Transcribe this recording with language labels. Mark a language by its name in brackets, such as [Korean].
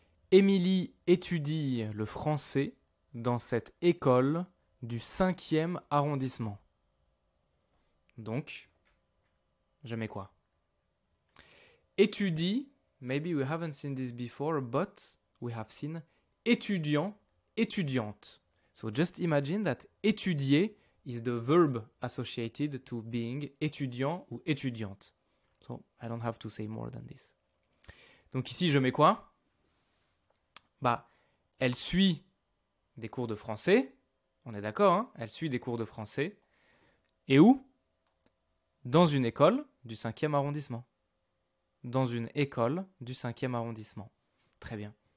[French] Émilie étudie le français dans cette école du 5e arrondissement. Donc, je mets quoi? [English] Étudie, maybe we haven't seen this before, but we have seen étudiant, étudiante. So just imagine that étudier is the verb associated to being [French] étudiant ou étudiante. [English] So I don't have to say more than this. [French] Donc ici, je mets quoi? Elle suit des cours de français, on est d'accord, hein? Elle suit des cours de français, et où? Dans une école du 5e arrondissement. Dans une école du 5e arrondissement. Très bien.